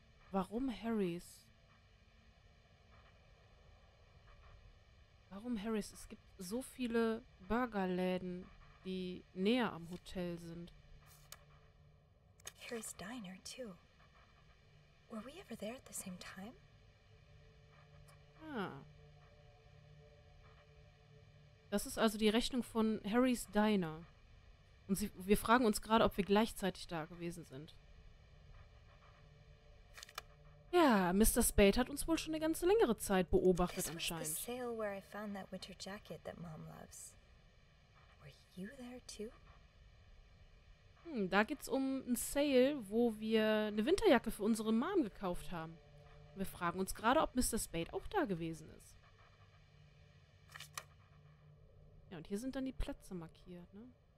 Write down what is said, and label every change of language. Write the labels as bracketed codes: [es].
[de] Warum Harry's? Warum Harry's? Es gibt so viele Burgerläden, die näher am Hotel sind. [en] Harry's Diner, too. Were we ever there at the same time? Ah. [de] Das ist also die Rechnung von Harry's Diner. Und wir fragen uns gerade, ob wir gleichzeitig da gewesen sind. Ja, Mr. Spade hat uns wohl schon eine ganze längere Zeit beobachtet anscheinend. [en] This was the sale where I found that winter jacket that Mom loves. Were you there too? [de] Da geht's um einen Sale, wo wir eine Winterjacke für unsere Mom gekauft haben. Und wir fragen uns gerade, ob Mr. Spade auch da gewesen ist. Ja, und hier sind dann die Plätze markiert, ne?